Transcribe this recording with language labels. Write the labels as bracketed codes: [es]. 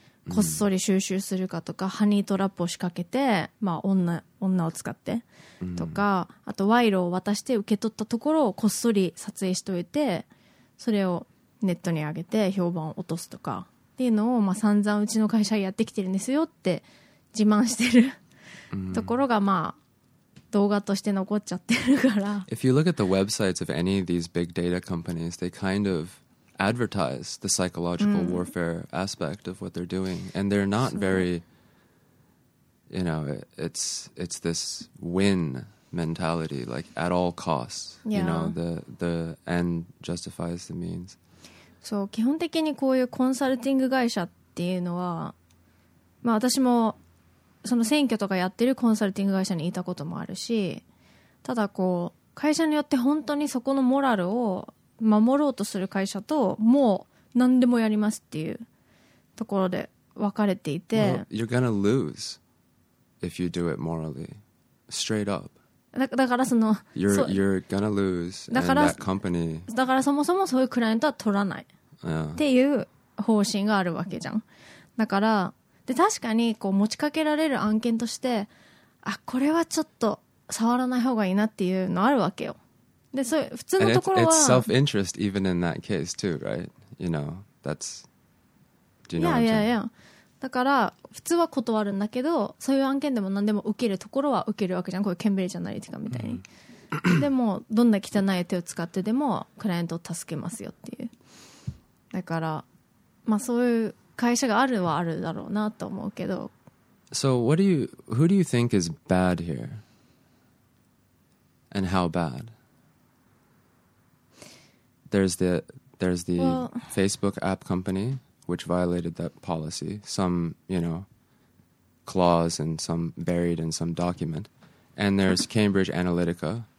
[ja] こっそり収集するかとか、ハニートラップを仕掛けて、まあ、女を使ってとか、あと賄賂を渡して受け取ったところをこっそり撮影しておいて、それをネットに上げて評判を落とすとかっていうのを、まあ、散々うちの会社やってきてるんですよって自慢してるところが、まあ、動画として残っちゃってるから。 [en] If you look at the websites of any of these big data companies, they kind of advertise the psychological warfare aspect of what they're doing. And they're not very, you know, it's this win mentality, like at all costs. Yeah. You know, the end justifies the means. [ja] そう、基本的にこういうコンサルティング会社っていうのは、まあ、私もその選挙とかやってるコンサルティング会社にいたこともあるし、ただこう会社によって本当にそこのモラルを守ろうとする会社と、もう何でもやりますっていうところで分かれていて、 [en] well, You're gonna lose if you do it morally, straight up. [ja] だからその [en] you're gonna lose and that company. [ja] だからそもそもそういうクライアントは取らないっていう方針があるわけじゃん。だからで確かにこう持ちかけられる案件として、あこれはちょっと触らない方がいいなっていうのあるわけよ。でそういう普通のところは [en] it's self-interest even in that case too, right? You know, that's do you know? Yeah, yeah, yeah. [ja] だから普通は断るんだけど、そういう案件でも何でも受けるところは受けるわけじゃん、こういうケンブリッジアナリティカみたいに、でもどんな汚い手を使ってでもクライアントを助けますよっていう、だからまあそういう会社があるはあるだろうなと思うけど、 [en] So what do you, who do you think is bad here? And how bad? There's the well, Facebook app companyWhich violated that policy, some, you know, clause and some buried in some document. And there's Cambridge Analytica,